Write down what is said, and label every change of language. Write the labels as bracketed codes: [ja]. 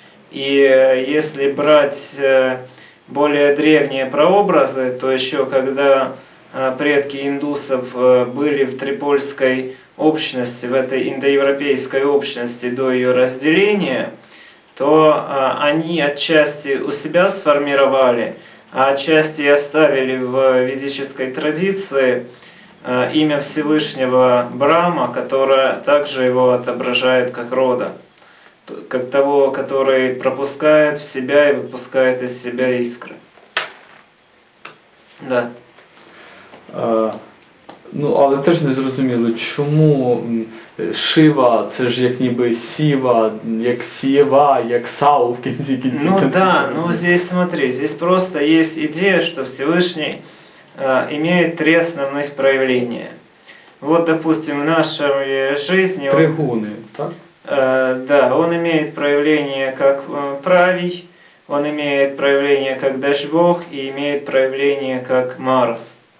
[ru] И если брать более древние прообразы, то еще когда предки индусов были в Трипольской общности, в этой индоевропейской общности до ее разделения, то они отчасти у себя сформировали, а отчасти оставили в ведической традиции имя Всевышнего Брама, которое также его отображает как рода, как того, который пропускает в себя и выпускает из себя искры. Да. [uk] Ну, але теж не зрозуміло, чому Шива, це ж як ніби Сіва, як Сієва, як Сау в кінці кінці. [ru] Ну да, ну здесь смотри, здесь просто есть идея, что Всевышний имеет три основных проявления. Вот, допустим, в нашей жизни... [uk] Три гуни, так? [ru] Да, он имеет проявление как Правий, он имеет проявление как Дашбог и имеет проявление как Марс.